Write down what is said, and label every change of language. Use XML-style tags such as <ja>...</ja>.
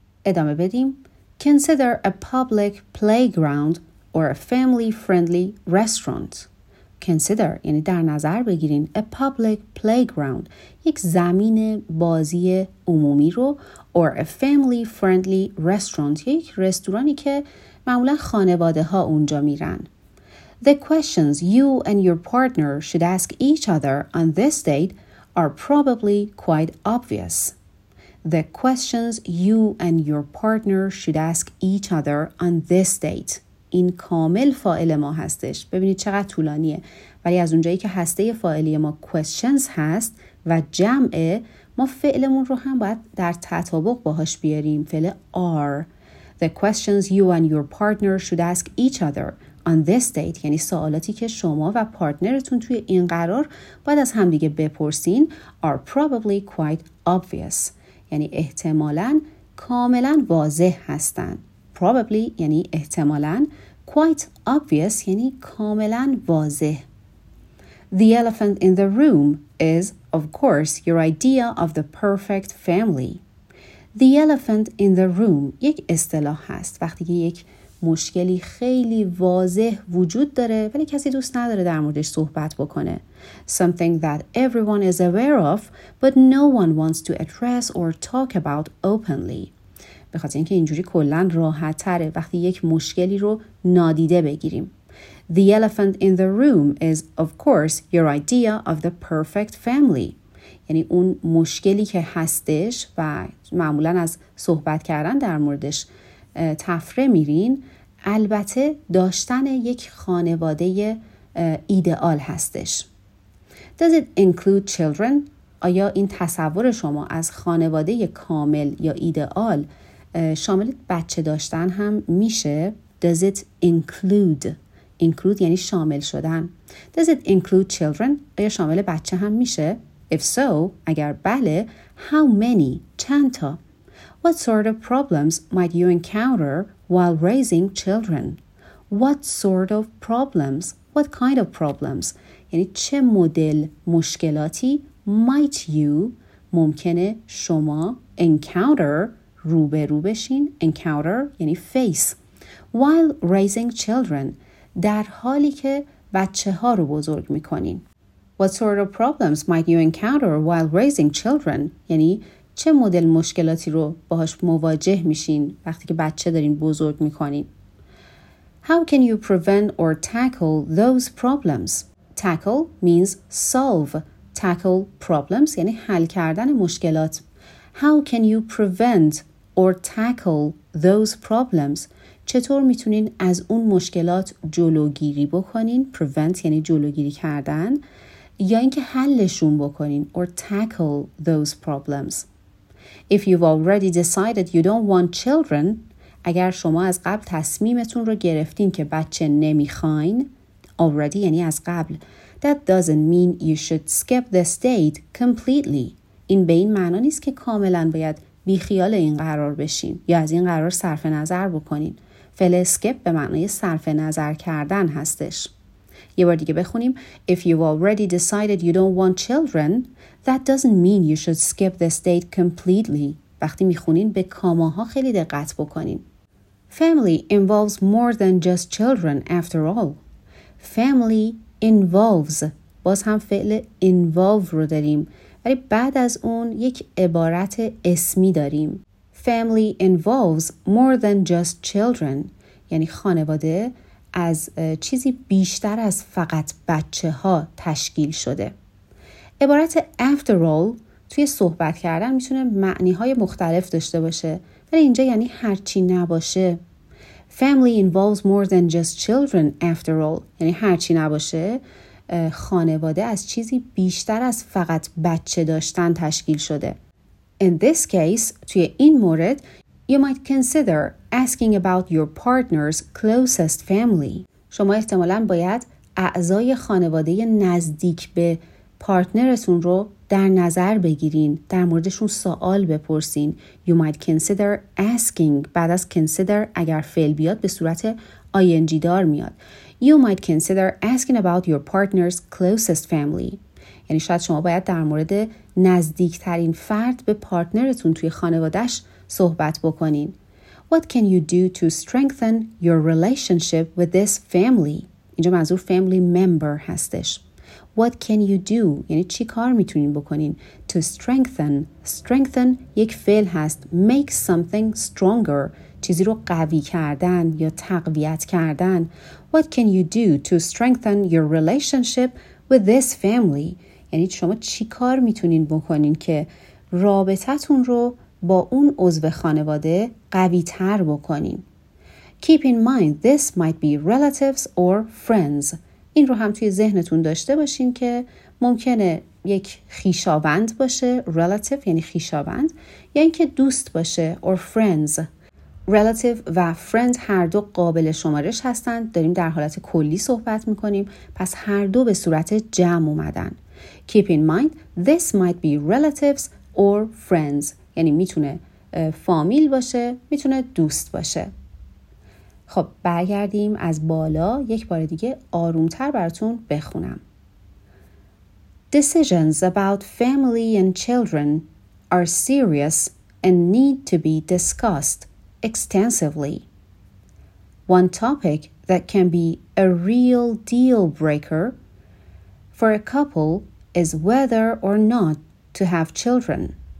<fa>ادامه بدیم.</fa> <en>Consider a public playground or a family-friendly restaurant.</en> <fa>Consider یعنی در نظر بگیرین</fa> <en>a public playground</en> <fa>یک زمین بازی عمومی رو</fa> <en>or a family-friendly restaurant</en> <fa>یک رستورانی که معمولا خانواده ها اونجا میرن.</fa> <en>The questions you and your partner should ask each other on this date are probably quite obvious. The questions you and your partner should ask each other on this date.</en> <fa>این کامل فاعل ما هستش. ببینید چقدر طولانیه. ولی از اونجایی که هسته فاعلی ما questions هست و جمعه ما فعلمون رو هم باید در تطابق باهاش بیاریم.</fa> <en>فعل are. The questions you and your partner should ask each other on this date</en> <fa>یعنی سوالاتی که شما و پارتنرتون توی این قرار باید از همدیگه بپرسین</fa> <en>are probably quite obvious</en> <fa>یعنی احتمالاً کاملا واضح هستن. Probably یعنی احتمالاً,</fa> <en>quite obvious</en> <fa>یعنی کاملا واضح.</fa> <en>The elephant in the room is of course your idea of the perfect family. The elephant in the room</en> <fa>یک اصطلاح هست وقتی که یک مشکلی خیلی واضح وجود داره ولی کسی دوست نداره در موردش صحبت بکنه.</fa> <en>Something that everyone is aware of but no one wants to address or talk about openly.</en> <fa>به خاطر اینکه اینجوری کلن راحت تره وقتی یک مشکلی رو نادیده بگیریم.</fa> <en>The elephant in the room is of course your idea of the perfect family.</en> <fa>یعنی اون مشکلی که هستش و معمولا از صحبت کردن در موردش تفره میرین البته داشتن یک خانواده ایدئال هستش.</fa> <en>Does it include children؟</en> <fa>آیا این تصور شما از خانواده کامل یا ایدئال شامل بچه داشتن هم میشه؟</fa> <en>Does it include؟</en> <fa>include یعنی شامل شدن.</fa> <en>Does it include children؟</en> <fa>آیا شامل بچه هم میشه؟</fa> <en>If so،</en> <fa>اگر بله،</fa> <en>how many؟</en> <fa>چند تا؟</fa> <en>What sort of problems might you encounter while raising children? What sort of problems? What kind of problems?</en> <fa>یعنی چه مدل مشکلاتی</fa> <en>might you</en> <fa>ممکنه شما encounter روبرو بشین encounter یعنی face</fa> <en>while raising children</en> <fa>در حالی که بچه ها رو بزرگ میکنین.</fa> <en>What sort of problems might you encounter while raising children?</en> <fa>یعنی چه مدل مشکلاتی رو باهاش مواجه میشین وقتی که بچه دارین بزرگ میکنین؟</fa> <en>How can you prevent or tackle those problems? Tackle means solve. Tackle problems</en> <fa>یعنی حل کردن مشکلات.</fa> <en>How can you prevent or tackle those problems?</en> <fa>چطور میتونین از اون مشکلات جلوگیری بکنین؟ Prevent یعنی جلوگیری کردن یا اینکه حلشون بکنین</fa> <en>or tackle those problems. If you've already decided you don't want children,</en> <fa>اگر شما از قبل تصمیمتون رو گرفتین که بچه نمیخواین,</fa> <en>already</en> <fa>یعنی از قبل,</fa> <en>that doesn't mean you should skip this date completely.</en> <fa>این به این معنا نیست که کاملا باید بیخیال این قرار بشین یا از این قرار صرف نظر بکنین. فعل skip به معنای صرف نظر کردن هستش. یه بار دیگه بخونیم.</fa> <en>If you've already decided you don't want children, that doesn't mean you should skip this date completely.</en> <fa>وقتی میخونین به کاماها خیلی دقت بکنین.</fa> <en>Family involves more than just children after all. Family involves.</en> <fa>باز هم فعل involve رو داریم. ولی بعد از اون یک عبارت اسمی داریم.</fa> <en>Family involves more than just children.</en> <fa>یعنی خانواده از چیزی بیشتر از فقط بچه ها تشکیل شده. عبارت after all توی صحبت کردن میتونه معنی های مختلف داشته باشه. ولی اینجا یعنی هرچی نباشه.</fa> <en>Family involves more than just children after all.</en> <fa>یعنی هرچی نباشه خانواده از چیزی بیشتر از فقط بچه داشتن تشکیل شده.</fa> <en>In this case,</en> <fa>توی این مورد,</fa> <en>you might consider asking about your partner's closest family.</en> <fa>شما احتمالاً باید اعضای خانواده نزدیک به پارتنرتون رو در نظر بگیرین. در موردشون سوال بپرسین.</fa> <en>You might consider asking.</en> <fa>بعد از consider اگر فعل بیاد به صورت ing دار میاد.</fa> <en>You might consider asking about your partner's closest family.</en> <fa>یعنی شاید شما باید در مورد نزدیکترین فرد به پارتنرتون توی خانوادش صحبت بکنین.</fa> <en>What can you do to strengthen your relationship with this family?</en> <fa>اینجا منظور</fa> <en>family member هستش. What can you do?</en> <fa>یعنی چی کار میتونین بکنین؟</fa> <en>To strengthen.</en> <fa>Strengthen یک فعل هست.</fa> <en>Make something stronger.</en> <fa>چیزی رو قوی کردن یا تقویت کردن.</fa> <en>What can you do to strengthen your relationship with this family?</en> <fa>یعنی شما چی کار میتونین بکنین که رابطتون رو با اون عضو خانواده قوی تر بکنین.</fa> <en>Keep in mind this might be relatives or friends.</en> <fa>این رو هم توی ذهنتون داشته باشین که ممکنه یک خیشاوند باشه. Relative یعنی خیشاوند. یعنی که دوست باشه</fa> <en>or friends.</en> <fa>Relative و friend هر دو قابل شمارش هستند. داریم در حالت کلی صحبت میکنیم. پس هر دو به صورت جمع اومدن.</fa> <en>Keep in mind, this might be relatives or friends.</en> <fa>یعنی میتونه فامیل باشه، میتونه دوست باشه. خب برگردیم از بالا یک بار دیگه آرومتر براتون بخونم.</fa> <en>Decisions about family and children are serious and need to be discussed extensively. One topic that can be a real deal breaker for a couple is whether or not to have children.</en>